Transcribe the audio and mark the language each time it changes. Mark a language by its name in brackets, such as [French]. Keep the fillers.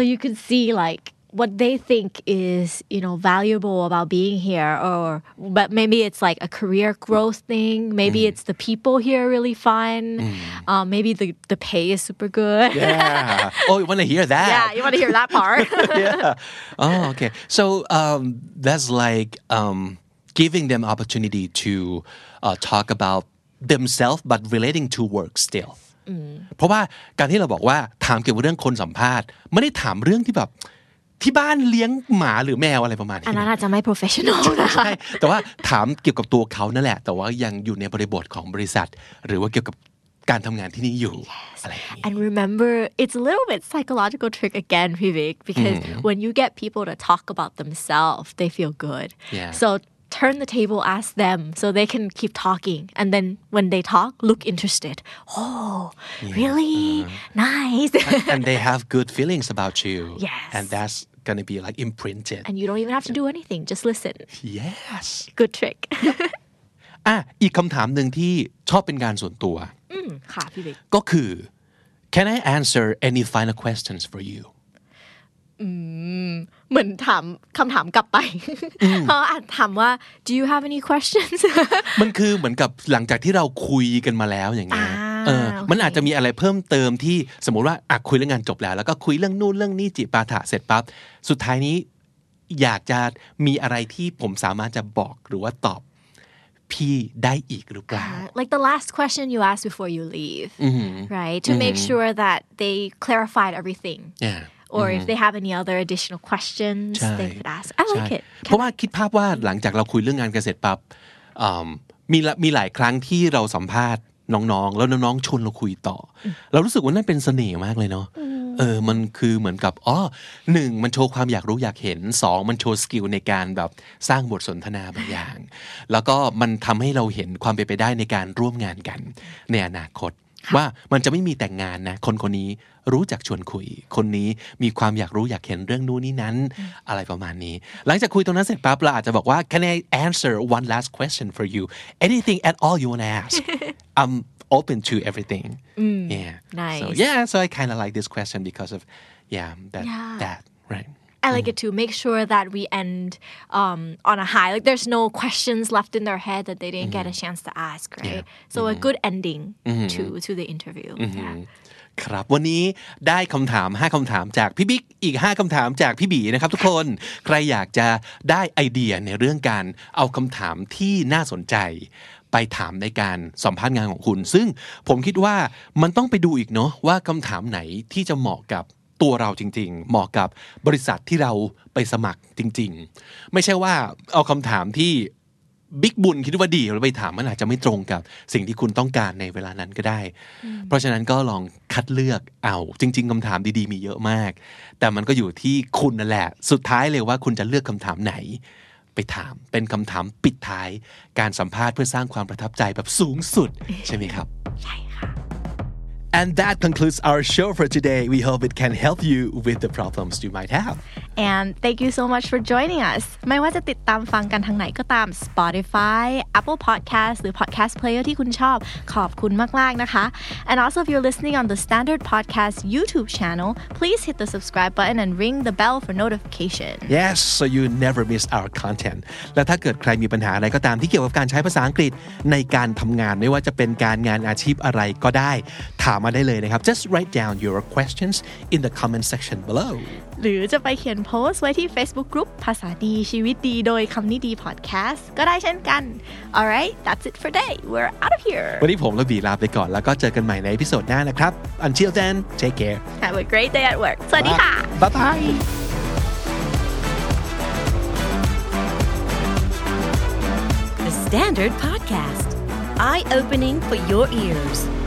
[English] you could see like what they think is you know valuable about being here or but maybe it's like a career growth thing maybe mm. it's the people here really fun mm. um, maybe the the pay is super good yeah oh you want to hear that yeah you want to hear that part yeah oh okay so um, that's like um, giving them opportunity to uh, talk about themselves but relating to work still [Thai] เพราะว่าการที่เราบอกว่าถามเกี่ยวกับเรื่องคนสัมภาษณ์ไม่ได้ถามเรื่องที่แบบ [English] mm. [Thai] ที่บ้านเลี้ยงหมาหรือแมวอะไรประมาณนี้อันนั้นอาจจะไม่ professional นะใช่แต่ว่าถามเกี่ยวกับตัวเขานั่นแหละแต่ว่ายังอยู่ในบริบทของบริษัท หรือว่าเกี่ยวกับการทำงานที่นี่อยู่อะไร [English] and remember it's a little bit psychological trick again Vivek because when you get people to talk about themselves they feel good so turn the table ask them so they can keep talking and then when they talk look interested oh really nice and they have good feelings about you yes and that's gonna be like imprinted and you don't even have to do anything just listen yes good trick [Thai] อ่ะ อีกคำถามหนึ่งที่ชอบเป็นการส่วนตัว อืมค่ะ พี่เบก ก็คือ [English] can I answer any final questions for you [Thai] เหมือนถามคำถามกลับไปเพราะอาจถามว่า [English] do you have any [Thai] questions มันคือเหมือนกับหลังจากที่เราคุยกันมาแล้วอย่างเงี้ยออมันอาจจะมีอะไรเพิ่มเติมที่สมมุติว่าอ่ะคุยเรื่องงานจบแล้ว แล้วก็คุยเรื่องนู่นเรื่องนี้จิปาถะเสร็จปั๊บสุดท้ายนี้อยากจะมีอะไรที่ผมสามารถจะบอกหรือว่าตอบพี่ได้อีกหรือเปล่า [English] like the last question you a s k before you leave right to make sure that they clarified everything or if they have any other additional questions they could ask I like it [Thai] เพราะว่าคิดภาพว่าหลังจากเราคุยเรื่องงานกันเสร็จปั๊บมีมีหลายครั้งที่เราสัมภาษณน้องๆ แล้วน้องๆชวนเราคุยต่อ เรารู้สึกว่านั่นเป็นเสน่ห์มากเลยเนาะ เออ มันคือเหมือนกับ อ๋อหนึ่งมันโชว์ความอยากรู้อยากเห็นสองมันโชว์สกิลในการแบบสร้างบทสนทนาบางอย่าง แล้วก็มันทําให้เราเห็นความเป็นไปได้ในการร่วมงานกัน ในอนาคตว่ามันจะไม่มีแต่งงานนะคนคนนี้รู้จักชวนคุย คนนี้มีความอยากรู้อยากเห็นเรื่องนู้นนี้นั้นอะไรประมาณนี้หลังจากคุยตรงนั้นเสร็จปั๊บเราอาจจะบอกว่า [English] can I answer one last question for you anything at all you want to ask I'm open to everything yeah nice. so yeah so I kind of like this question because of yeah that yeah. that right elegant mm. to make sure that we end um, on a high. Like there's no questions left in their head that they didn't mm. get a chance to ask, right? Yeah. So mm. a good ending mm-hmm. to to the interview. Mm-hmm. Yeah. [Thai] ครับ วันนี้ได้คําถาม 5 คําถามจากพี่บิ๊ก อีก 5 คําถามจากพี่บีนะครับทุกคน ใครอยากจะได้ไอเดีย ในเรื่องการเอาคําถามที่น่าสนใจไปถามในการสัมภาษณ์งานของคุณ ซึ่งผมคิดว่ามันต้องไปดูอีกเนาะว่าคําถามไหนที่จะเหมาะกับตัวเราจริงๆเหมาะกับบริษัทที่เราไปสมัครจริง ๆ ไม่ใช่ว่าเอาคําถามที่ บิ๊กบุญคิดว่าดีแล้ไปถามมันอาจจะไม่ตรงกับสิ่งที่คุณต้องการในเวลานั้นก็ได้ เพราะฉะนั้นก็ลองคัดเลือกเอาจริงๆ คําถามดีๆมีเยอะมาก แต่มันก็อยู่ที่คุณนั่นแหละสุดท้ายเลยว่าคุณจะเลือกคําถามไหน ไปถามเป็นคําถามปิดท้ายการสัมภาษณ์เพื่อสร้างความประทับใจแบบสูงสุดใช่ไหมครับใช่ [English] And that concludes our show for today. We hope it can help you with the problems you might have. And thank you so much for joining us. [Thai] ไม่ว่าจะติดตามฟังกันทางไหนก็ตาม Spotify, Apple Podcast หรือ Podcast Player ที่คุณชอบ ขอบคุณมากๆนะคะ [English] And also if you're listening on the Standard Podcast YouTube channel please hit the subscribe button and ring the bell for notification Yes so you never miss our content [Thai] และถ้าเกิดใครมีปัญหาอะไรก็ตามที่เกี่ยวกับการใช้ภาษาอังกฤษในการทำงานไม่ว่าจะเป็นการงานอาชีพอะไรก็ได้ถาามมาได้เลยนะครับ [English] just write down your questions in the comment section below [Thai] หรือจะไปเขียนโพสต์ไว้ที่ Facebook Group ภาษาดีชีวิตดีโดยคำนี้ดี podcast ก็ได้เช่นกัน [English] alright that's it for today we're out of here [Thai] วันนี้ผมและบีลาไปก่อนแล้วก็เจอกันใหม่ในพิโซดหน้านะครับ [English] until then take care have a great day at work [Thai] สวัสดีค่ะ [English] bye bye Standard Podcast. Eye opening for your ears.